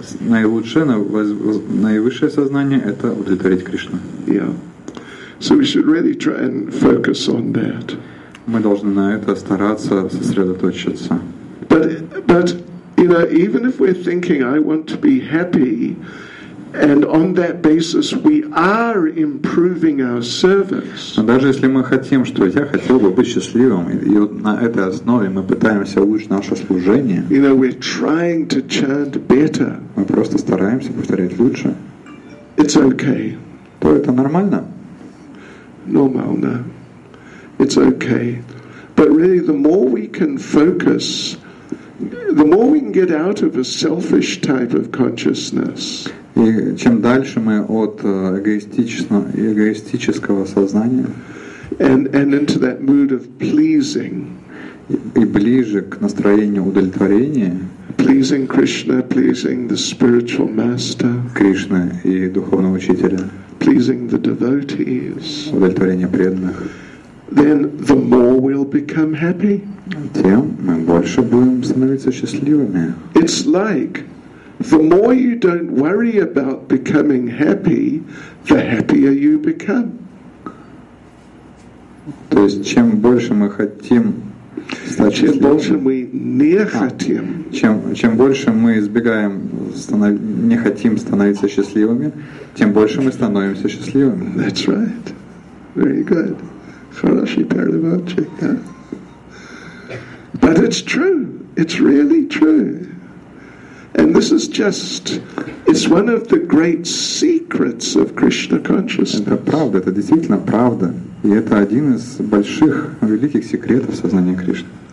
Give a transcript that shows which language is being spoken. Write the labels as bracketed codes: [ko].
[ru] Наилучшее, наивысшее сознание – это удовлетворить Кришну. [en] Yeah. So we should really try and focus on that. [ru] Мы должны на это стараться сосредоточиться. [en] But you know, even if we're thinking I want to be happy, and on that basis we are improving our service. [ru] Но даже если мы хотим, что я хотел бы быть счастливым, и вот на этой основе мы пытаемся улучшить наше служение. [en] You know, we're trying to chant better. [ru] Мы просто стараемся повторять лучше. [en] It's okay. [ru] То это нормально? Нормально. [en] It's okay. But really, the more we can focus, the more we can get out of a selfish type of consciousness. [ru] И чем дальше мы от эгоистического сознания, [en] and into that mood of pleasing, [ru] и ближе к настроению удовлетворения, [en] pleasing Krishna, pleasing the spiritual master, [ru] Кришна и духовного учителя, [en] pleasing the devotees, [ru] удовлетворение преданных, [en] then the more we'll become happy. [ru] Тем мы больше будем становиться счастливыми. [en] It's like the more you don't worry about becoming happy, the happier you become. [ru] То есть чем больше мы хотим стать чем больше мы не хотим, чем больше мы избегаем не хотим становиться счастливыми, тем больше мы становимся счастливыми. [en] That's right. Very good. [ru] Хороший переводчик, да? [en] But it's true. It's really true. And this is just, it's one of the great secrets of Krishna consciousness. [ru] Это правда, это действительно правда. И это один из больших, великих секретов сознания Кришны.